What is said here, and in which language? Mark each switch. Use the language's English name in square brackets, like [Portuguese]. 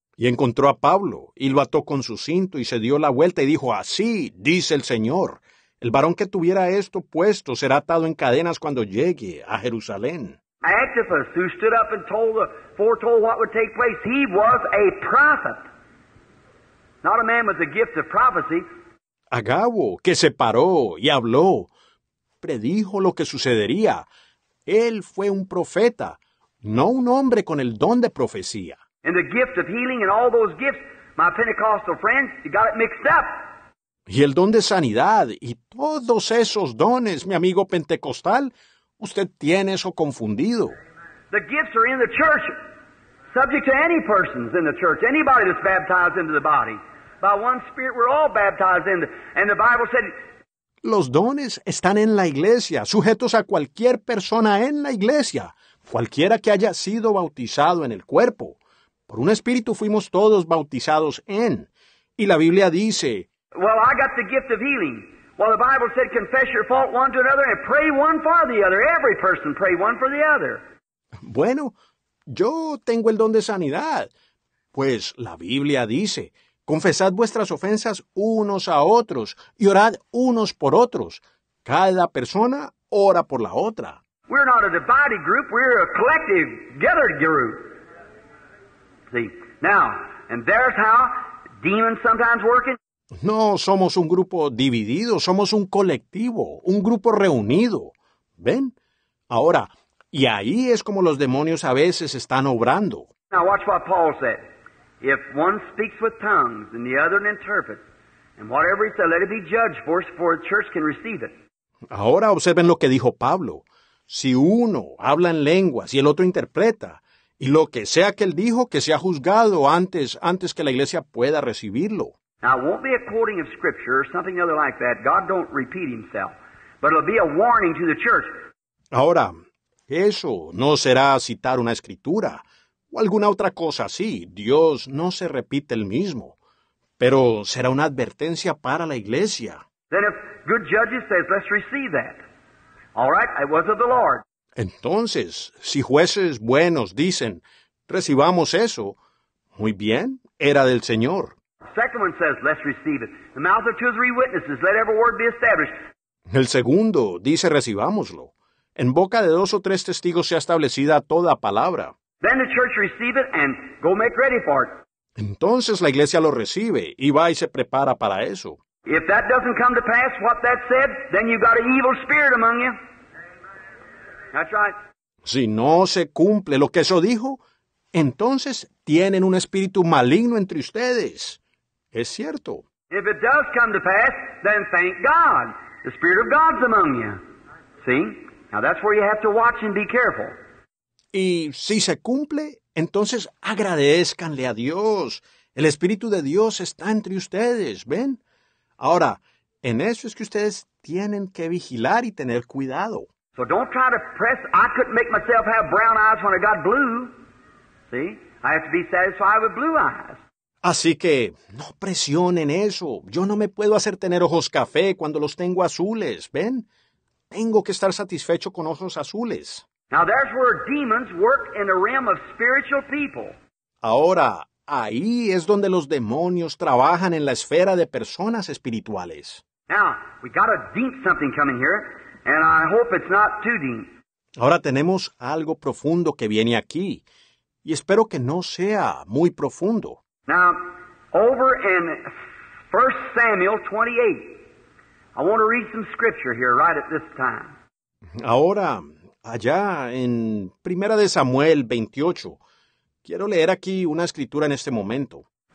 [Spanish] Y encontró a Pablo, y lo ató con su cinto, y se dio la vuelta, y dijo, así dice el Señor, el varón que tuviera esto puesto será atado en cadenas cuando llegue a Jerusalén. [English] Antipas, who stood up and told the, foretold what would take place, he was a prophet, not a man with the gift of prophecy. [Spanish] Agabo, que se paró y habló, predijo lo que sucedería. Él fue un profeta, no un hombre con el don de profecía. [English] And the gift of healing and all those gifts, my Pentecostal friends, you got it mixed up. [Spanish] Y el don de sanidad y todos esos dones, mi amigo pentecostal, usted tiene eso confundido. [English] The gifts are in the church, subject to any persons in the church, anybody that's baptized into the body. By one spirit we're all baptized into. And the Bible said... [Spanish] Los dones están en la iglesia, sujetos a cualquier persona en la iglesia, cualquiera que haya sido bautizado en el cuerpo. Por un espíritu fuimos todos bautizados en. Y la Biblia dice... [English] Well, I got the gift of healing. Well, the Bible said, confess your fault one to another and pray one for the other. Every person pray one for the other. [Spanish] Bueno, yo tengo el don de sanidad. Pues la Biblia dice, confesad vuestras ofensas unos a otros y orad unos por otros. Cada persona ora por la otra. [English] We're not a divided group. We're a collective, gathered group. See, now, and there's how demons sometimes working. [Spanish] No somos un grupo dividido, somos un colectivo, un grupo reunido. ¿Ven? Ahora, y ahí es como los demonios a veces están obrando. [English] Now watch what Paul said. If one speaks with tongues and the other interprets, and whatever he said, let it be judged for us, for the church can receive it. [Spanish] Ahora observen lo que dijo Pablo. Si uno habla en lenguas y el otro interpreta, y lo que sea que él dijo, que sea juzgado antes que la iglesia pueda recibirlo. [English] Now, it won't be a quoting of Scripture or something other like that. God don't repeat himself. But it'll be a warning to the church. [Spanish] Ahora, eso no será citar una Escritura o alguna otra cosa así. Dios no se repite el mismo. Pero será una advertencia para la iglesia. [English] Then if good judges says, let's receive that. All right, it was of the Lord. [Spanish] Entonces, si jueces buenos dicen, recibamos eso, muy bien, era del Señor. [English] Second one says, let's receive it. The mouth of two or three witnesses, let every word be established. [Spanish] El segundo dice, recibámoslo. En boca de dos o tres testigos sea establecida toda palabra. [English] Then the church receive it and go make ready for it. [Spanish] Entonces la iglesia lo recibe y va y se prepara para eso. [English] If that doesn't come to pass, what that said, then you've got an evil spirit among you. That's right. [Spanish] Si no se cumple lo que eso dijo, entonces tienen un espíritu maligno entre ustedes. Es cierto. [English] If it does come to pass, then thank God. The Spirit of God's among you. See? Now that's where you have to watch and be careful. [Spanish] Y si se cumple, entonces agradézcanle a Dios. El Espíritu de Dios está entre ustedes, ¿ven? Ahora, en eso es que ustedes tienen que vigilar y tener cuidado. [English] So don't try to press. I couldn't make myself have brown eyes when I got blue. See? I have to be satisfied with blue eyes. [Spanish] Así que, no presionen eso. Yo no me puedo hacer tener ojos café cuando los tengo azules, ¿ven? Tengo que estar satisfecho con ojos azules. [English] Now there's where demons work in the realm of spiritual people. [Spanish] Ahora, ahí es donde los demonios trabajan en la esfera de personas espirituales. [English] Now, we got a deep something coming here, and I hope it's not too deep. [Spanish] Ahora tenemos algo profundo que viene aquí, y espero que no sea muy profundo. [English] Now, over in 1 Samuel 28, I want to read some scripture here right at this time. [Spanish] Ahora, allá en 1 de Samuel 28, quiero leer aquí una escritura en este momento.